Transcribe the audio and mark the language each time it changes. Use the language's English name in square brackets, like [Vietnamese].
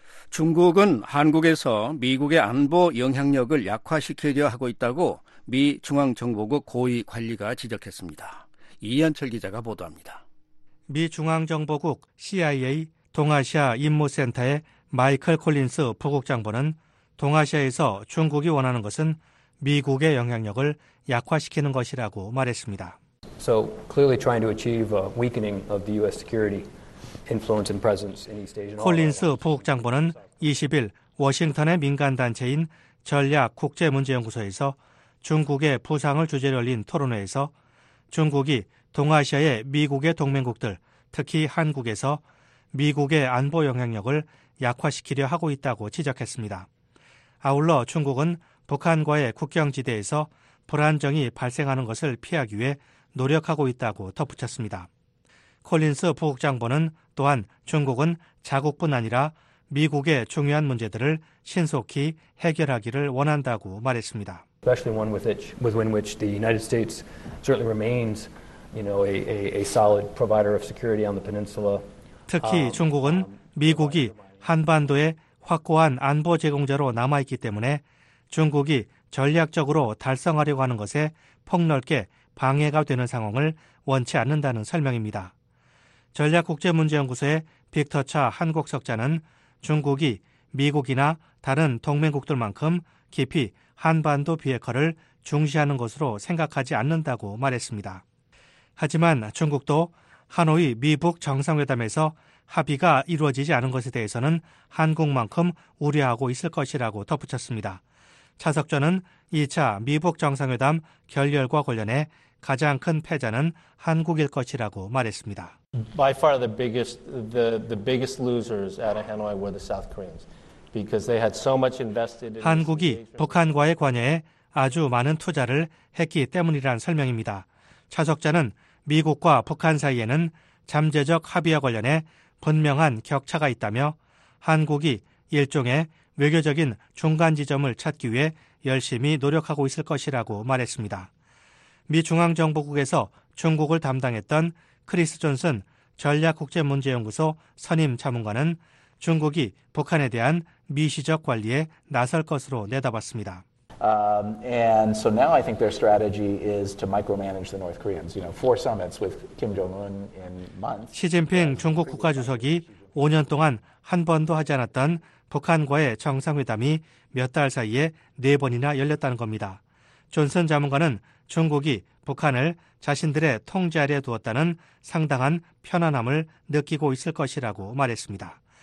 [Korean] 중국은 한국에서 미국의 안보 영향력을 약화시키려 하고 있다고 미 중앙정보국 고위 관리가 지적했습니다. 이현철 기자가 보도합니다. 미 중앙정보국 CIA 동아시아 임무센터의 마이클 콜린스 부국장보는 동아시아에서 중국이 원하는 것은 미국의 영향력을 약화시키는 것이라고 말했습니다. [English] So clearly trying to achieve a weakening of the US security influence and presence in East Asia. [Korean] 콜린스 부국장보는 20일 워싱턴의 민간단체인 전략국제문제연구소에서 중국의 부상을 주제로 열린 토론회에서 중국이 동아시아의 미국의 동맹국들, 특히 한국에서 미국의 안보 영향력을 약화시키려 하고 있다고 지적했습니다. 아울러 중국은 북한과의 국경지대에서 불안정이 발생하는 것을 피하기 위해 노력하고 있다고 덧붙였습니다. 콜린스 부국장보는 또한 중국은 자국뿐 아니라 미국의 중요한 문제들을 신속히 해결하기를 원한다고 말했습니다. [English] Especially one in which the United States certainly remains, you know, a solid provider of security on the peninsula. [Korean] 특히 중국은 미국이 한반도에 확고한 안보 제공자로 남아 있기 때문에 중국이 전략적으로 달성하려고 하는 것에 폭넓게 방해가 되는 상황을 원치 않는다는 설명입니다. 전략국제문제연구소의 빅터 차 한국 석좌는 중국이 미국이나 다른 동맹국들만큼 깊이 한반도 비핵화를 중시하는 것으로 생각하지 않는다고 말했습니다. 하지만 중국도 하노이 미북 정상회담에서 합의가 이루어지지 않은 것에 대해서는 한국만큼 우려하고 있을 것이라고 덧붙였습니다. 차 석좌는 2차 미북 정상회담 결렬과 관련해 가장 큰 패자는 한국일 것이라고 말했습니다. [English] By far the biggest losers at Hanoi were the South Koreans because they had so much invested in [Korean] 한국이 북한과의 관여에 아주 많은 투자를 했기 때문이란 설명입니다. 차석자는 미국과 북한 사이에는 잠재적 합의와 관련해 분명한 격차가 있다며 한국이 일종의 외교적인 중간 지점을 찾기 위해 열심히 노력하고 있을 것이라고 말했습니다. 미 중앙정보국에서 중국을 담당했던 크리스 존슨 전략국제문제연구소 선임 자문관은 중국이 북한에 대한 미시적 관리에 나설 것으로 내다봤습니다. [English] And so now I think their strategy is to micromanage the North Koreans. You know, four summits with Kim Jong-un in months. [Korean] 시진핑 중국 국가주석이 5년 동안 한 번도 하지 않았던 북한과의 정상회담이 몇 달 사이에 네 번이나 열렸다는 겁니다. 존슨 자문가는 중국이 북한을 자신들의 통제 아래 두었다는 상당한 편안함을 느끼고 있을 것이라고 말했습니다.